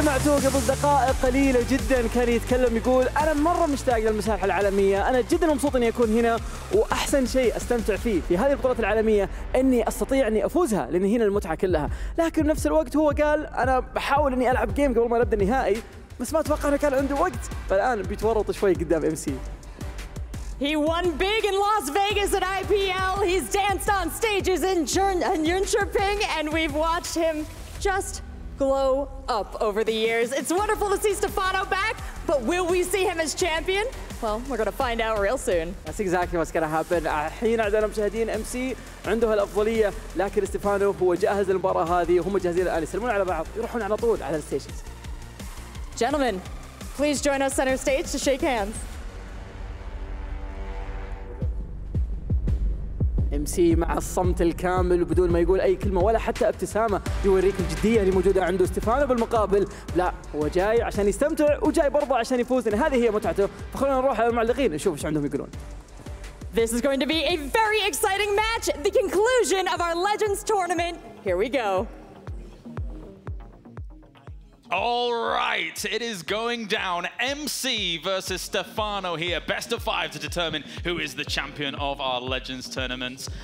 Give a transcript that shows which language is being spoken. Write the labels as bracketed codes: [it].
[ar] سمعتوه قبل دقائق قليلة جدا كان يتكلم يقول أنا مرة مشتاق للمساحة العالمية، أنا جدا مبسوط إني أكون هنا، وأحسن شيء أستمتع فيه في هذه البطولة العالمية إني أستطيع إني أفوزها لأن هنا المتعة كلها. لكن بنفس الوقت هو قال أنا بحاول إني ألعب جيم قبل ما نبدأ النهائي، بس ما أتوقع إنه كان عنده وقت، فالآن بيتورط شوي قدام إم سي. [en] He won big in Las Vegas at IPL. He's danced on stages in Yunchirping, and we've watched him just glow up over the years. It's wonderful to see Stephano back, but will we see him as champion? Well, we're going to find out real soon. That's exactly what's going to happen. [ar] الحين عندنا مشاهدين MC عنده الأفضلية، لكن ستيفانو هو جاهز للمباراة هذه، وهم جاهزين الآن يسلمون على بعض يروحون على طول على الستيشنز. [en] Gentlemen, please join us center stage to shake hands. [ar] MC مع الصمت الكامل وبدون ما يقول أي كلمة ولا حتى ابتسامة، يوريك الجدية اللي موجودة عنده ستيفانو بالمقابل. لا، هو جاي عشان يستمتع وجاي برضه عشان يفوز، لأن هذه هي متعته. فخلونا نروح على المعلقين نشوف ايش عندهم يقولون. [en] This is going to be a very exciting match, the conclusion of our Legends tournament. Here we go. All right, it is going down. MC versus Stephano here. Best of five to determine who is the champion of our Legends tournaments.